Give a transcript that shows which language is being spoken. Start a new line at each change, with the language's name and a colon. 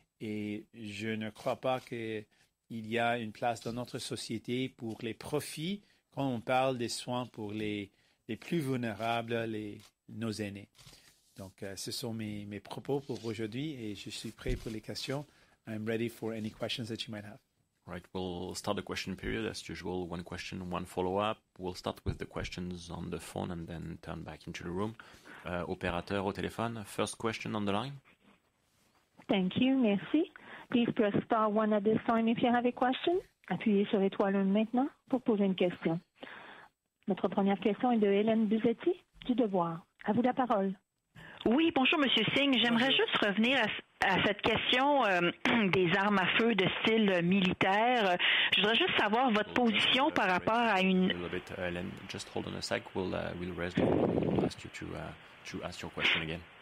French: Et je ne crois pas qu'il y a une place dans notre société pour les profits quand on parle des soins pour les plus vulnérables, nos aînés. Donc, ce sont mes propos pour aujourd'hui et je suis prêt pour les questions.
English: I'm ready for any questions that you might have. Right, we'll start the question period as usual. One question, one follow-up. We'll start with the questions on the phone and then turn back into the room.
French: Opérateur au téléphone,
English: first question on the line. Thank you,
French: merci.
English: Please press star one at this time if you have a question.
French: Appuyez sur l'étoile maintenant pour poser une question. Notre première question est de Hélène Buzetti, du Devoir. À vous la parole. Oui, bonjour, Monsieur Singh. J'aimerais juste revenir à cette question des armes à feu de style militaire. Je voudrais juste savoir votre position par rapport à une...
English: A little bit, Hélène, just hold on a sec. We'll raise the phone and ask you to ask your question again.